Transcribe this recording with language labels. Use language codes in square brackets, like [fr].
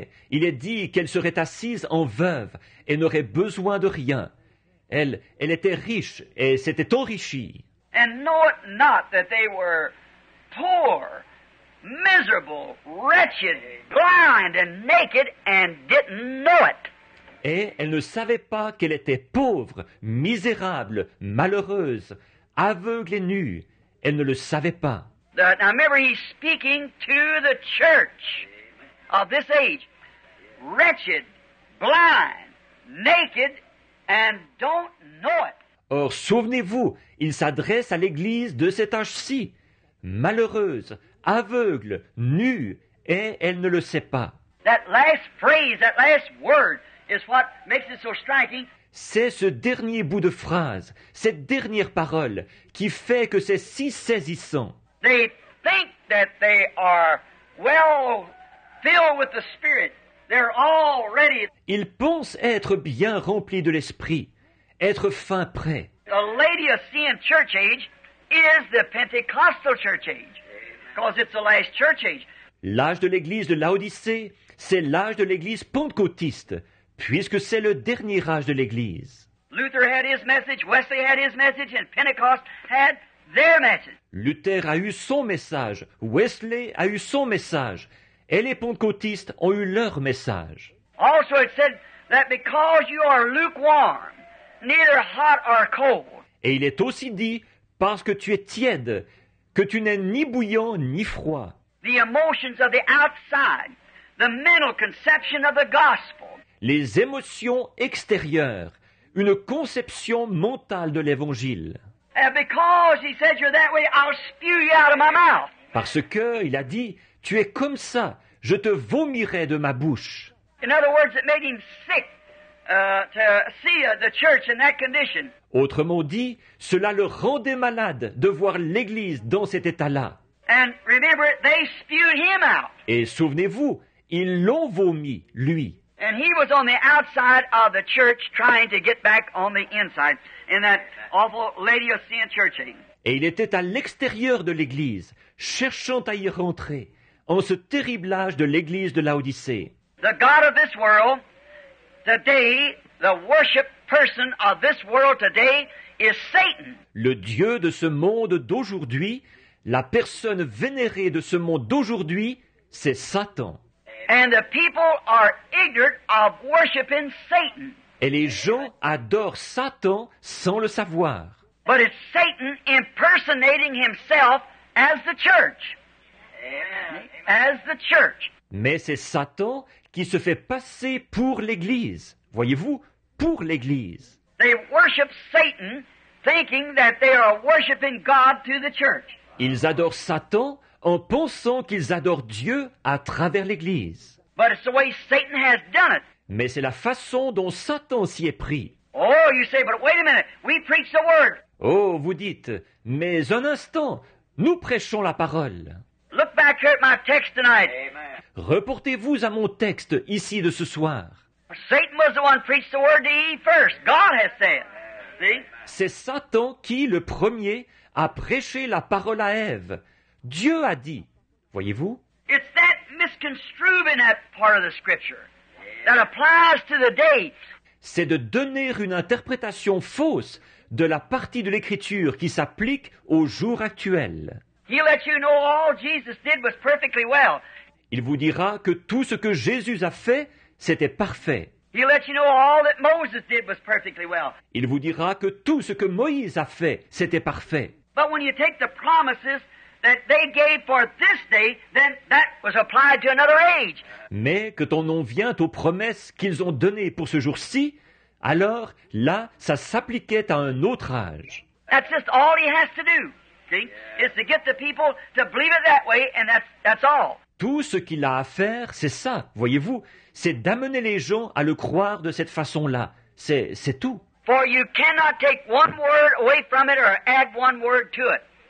[fr] Il est dit qu'elle serait assise en veuve et n'aurait besoin de rien. Elle était riche et s'était enrichie. [en] And know it not that they were poor, miserable, wretched, blind and naked and didn't know it. [fr] Et elle ne savait pas qu'elle était pauvre, misérable, malheureuse, aveugle et nue. Elle ne le savait pas. [en] Now remember, he's speaking to the church of this age, wretched, blind, naked, and don't know it. [fr] Or, souvenez-vous, il s'adresse à l'église de cet âge-ci, malheureuse, aveugle, nue, et elle ne le sait pas. [en] That last phrase, that last word, is what makes it so striking. [fr] C'est ce dernier bout de phrase, cette dernière parole, qui fait que c'est si saisissant. [en] They think that they are well filled with the Spirit. They're all ready. [fr] Ils pensent être bien remplis de l'Esprit, être fin prêt. [en] The Laodicean church age is the Pentecostal church age, because it's the last church age. [fr] L'âge de l'église de Laodicée, c'est l'âge de l'église pentecôtiste, puisque c'est le dernier âge de l'église. [en] Luther had his message, Wesley had his message, and Pentecost had their message. [fr] Luther a eu son message, Wesley a eu son message, et les pentecôtistes ont eu leur message. [en] Also it said that because you are lukewarm, neither hot or cold. [fr] Et il est aussi dit, parce que tu es tiède, que tu n'es ni bouillant ni froid. [en] The emotions of the outside, the mental conception of the gospel. [fr] Les émotions extérieures, une conception mentale de l'Évangile. [en] And because he said you're that way, I'll spew you out of my mouth. [fr] Parce que, il a dit, tu es comme ça, je te vomirai de ma bouche. [en] In other words, it made him sick to see the church in that condition. [fr] Autrement dit, cela le rendait malade de voir l'église dans cet état-là. [en] And remember, they spewed him out. [fr] Et souvenez-vous, ils l'ont vomi, lui. [en] And he was on the outside of the church trying to get back on the inside in that awful Laodicean church. [fr] Et il était à l'extérieur de l'église, cherchant à y rentrer, en ce terrible âge de l'église de Laodicée. [en] The God of this world, today, the worship person of this world today is Satan. [fr] Le Dieu de ce monde d'aujourd'hui, la personne vénérée de ce monde d'aujourd'hui, c'est Satan. [en] And the people are ignorant of worshiping Satan. [fr] Et les gens adorent Satan sans le savoir. [en] But it's Satan impersonating himself as the church. Amen. As the church. [fr] Mais c'est Satan qui se fait passer pour l'Église. Voyez-vous, pour l'Église. [en] They worship Satan thinking that they are worshiping God through the church. [fr] Ils adorent Satan en pensant qu'ils adorent Dieu à travers l'Église. [en] But it's the way Satan has done it. [fr] Mais c'est la façon dont Satan s'y est pris. [en] Oh, you say, but wait a minute, we preach the word. [fr] Oh, vous dites, mais un instant, nous prêchons la parole. [en] Look back here at my text tonight. Amen. [fr] Reportez-vous à mon texte ici de ce soir. [en] Satan was the one who preached the word to Eve first. God has said. See? [fr] C'est Satan qui, le premier, a prêché la parole à Ève. Dieu a dit. Voyez-vous? [en] It's that misconstrued in that part of the scripture that applies to the day. [fr] C'est de donner une interprétation fausse de la partie de l'écriture qui s'applique au jour actuel. [en] He let you know all Jesus did was perfectly well. [fr] Il vous dira que tout ce que Jésus a fait, c'était parfait. [en] He let you know all that Moses did was perfectly well. [fr] Il vous dira que tout ce que Moïse a fait, c'était parfait. [en] But when you take the promises that they gave for this day, then that was applied to another age. [fr] Mais que ton nom vient aux promesses qu'ils ont données pour ce jour-ci, alors là, ça s'appliquait à un autre âge. [en] That's just all he has to do. Is to get the people to believe it that way, and that's all. [fr] Tout ce qu'il a à faire, c'est ça, voyez-vous, c'est d'amener les gens à le croire de cette façon-là. C'est tout. [en] For you cannot take one word away from it or add one word to it.